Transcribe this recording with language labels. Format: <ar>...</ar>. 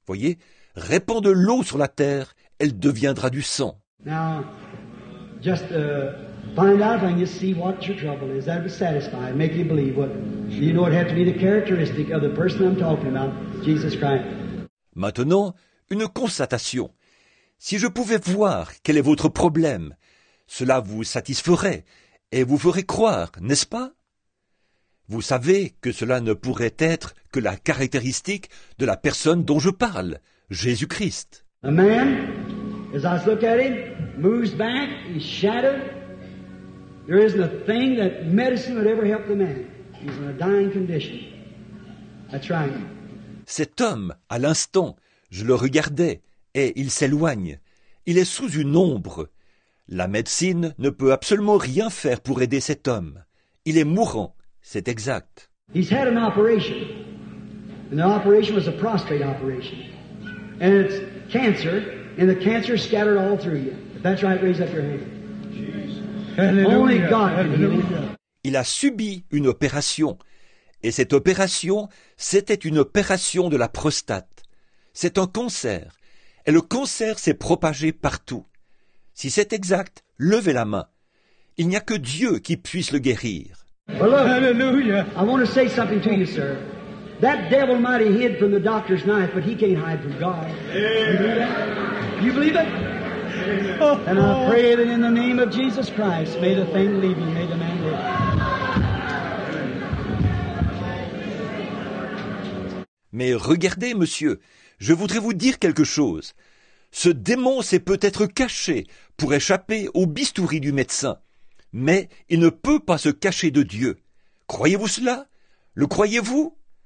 <fr>Voyez, répand de l'eau sur la terre, elle deviendra du sang.</fr> <en>Now, just find out when you see what your trouble is. That would satisfy, make you believe. What you know, it has to be the characteristic of the person I'm talking about, Jesus Christ.</en> <fr>Maintenant, une constatation. Si je pouvais voir quel est votre problème, cela vous satisferait et vous ferait croire, n'est-ce pas? Vous savez que cela ne pourrait être que la caractéristique de la personne dont je parle, Jésus-Christ.</fr> <en>A man, as I look at him, moves back, he's shattered. There isn't a thing that medicine would ever help the man. He's in a dying condition. That's right.</en> <fr>Cet homme, à l'instant, je le regardais et il s'éloigne. Il est sous une ombre. La médecine ne peut absolument rien faire pour aider cet homme. Il est mourant. C'est exact.</fr> <en>He's had an operation, and the operation was a prostate operation, and it's cancer, and the cancer scattered all through you. If that's right, raise up your hand. Jesus. Only God can heal.</en> <fr>Il a subi une opération, et cette opération, c'était une opération de la prostate. C'est un cancer, et le cancer s'est propagé partout. Si c'est exact, levez la main. Il n'y a que Dieu qui puisse le guérir.</fr> <en>Well, look, hallelujah. I want to say something to you, sir. That devil might have hid from the doctor's knife, but he can't hide from God. Amen. You believe it? You believe it? Amen. And I pray that in the name of Jesus Christ, may the thing leave you, may the man live.</en> <fr>Mais regardez, monsieur, je voudrais vous dire quelque chose. Ce démon s'est peut-être caché pour échapper au bistouri du médecin. Mais il ne peut pas se cacher de Dieu. Croyez-vous cela? Le croyez-vous?</fr>